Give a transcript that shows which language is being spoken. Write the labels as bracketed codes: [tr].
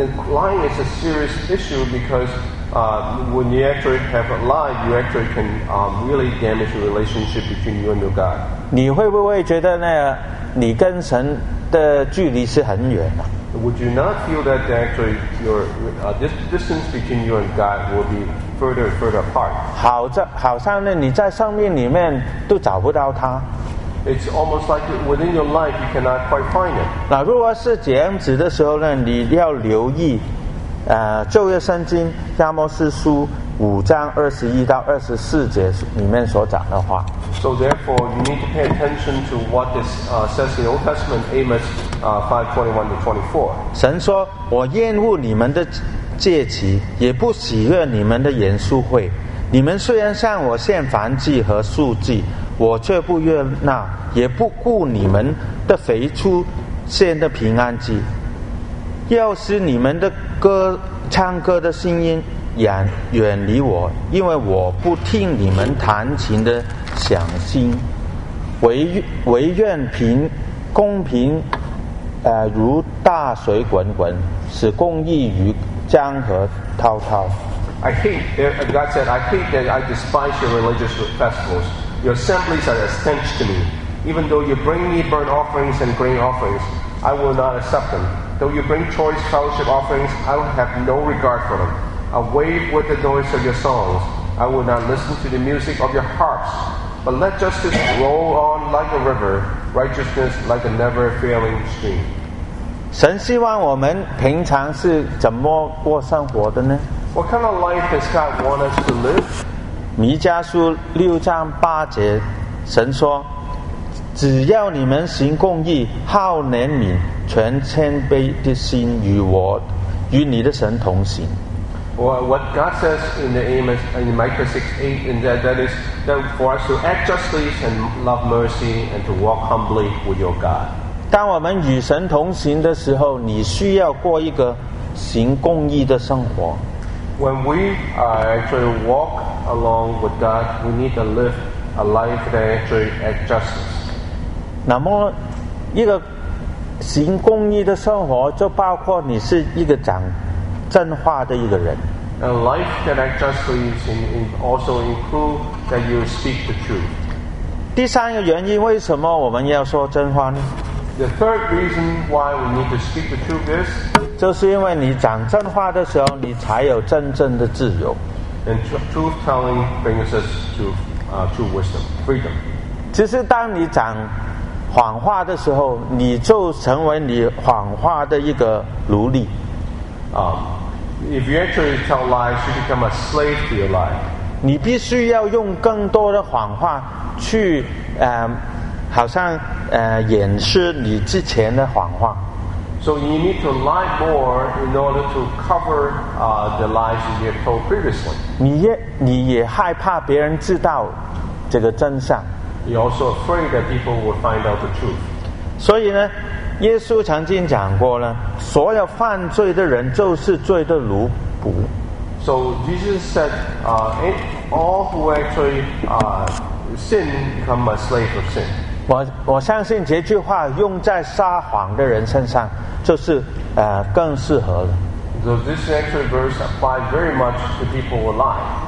[en] Lying is a serious issue because when you actually have a lie, you actually can really damage the relationship between you and your God. [zh] 你会不会觉得呢？你跟神的距离是很远的、 [en] 啊、？Would you not feel that actually your distance between you and God will be further and further apart? [zh] 好像呢，你在生命里面都找不到他。 [en] It's almost like within your life you cannot quite find it. [zh] 那如果是这样子的时候呢，你要留意，旧约圣经亚摩斯书五章二十一到二十四节里面所讲的话。 [en] So therefore, you need to pay attention to what this says in the Old Testament, Amos 5:21-24. [zh] 神说：“我厌恶你们的戒期，也不喜悦你们的筵素会。你们虽然向我献燔祭和素祭。” 我却不悦纳，也不顾你们的肥畜献的平安祭，要使你们的歌唱歌的声音远离我，因为我不听你们弹琴的响声。唯愿凭公平，如大水滚滚，使公义如江河滔滔。 [en] I hate, God said, I hate that I despise your religious festivals. Your assemblies are a stench to me. Even though you bring me burnt offerings and grain offerings, I will not accept them. Though you bring choice fellowship offerings, I will have no regard for them. Away with the noise of your songs. I will not listen to the music of your harps. But let justice roll on like a river, righteousness like a never-failing stream. [zh] 神希望我们平常是怎么过生活的呢？ [en] What kind of life does God want us to live? [zh] 弥迦书六章八节，神说：“只要你们行公义，好怜悯，全谦卑的心与我，与你的神同行。” [en] Well, what God says in the Amos in Micah 6:8, and that is that for us to act justly and love mercy and to walk humbly with your God. [zh] 当我们与神同行的时候，你需要过一个行公义的生活。 [en] When we actually walk along with God, we need to live a life that actually acts justice. [zh] 那么，一个行公义的生活就包括你是一个讲真话的一个人。 [en] A life that acts justly also includes that you speak the truth. [zh] 第三个原因，为什么我们要说真话呢？ [en] The third reason why we need to speak the truth is, [zh] 就是因为你讲真话的时候，你才有真正的自由。 [en] And truth telling brings us to true wisdom, freedom. [zh] 其实当你讲谎话的时候，你就成为你谎话的一个奴隶。 [en] If you actually tell lies, you become a slave to your lie. [zh] 你必须要用更多的谎话去好像掩饰你之前的谎话。 [en] So you need to lie more in order to cover the lies you have told previously. [zh] 你也害怕别人知道这个真相。 [en] You're also afraid that people will find out the truth. [zh] 所以呢，耶稣曾经讲过呢，所有犯罪的人就是罪的奴仆。 [en] So Jesus said, all who actually sin become a slave of sin. [zh] 我相信这句话用在撒谎的人身上，就是更适合了。 [en] So this actually verse applies very much to people who lie.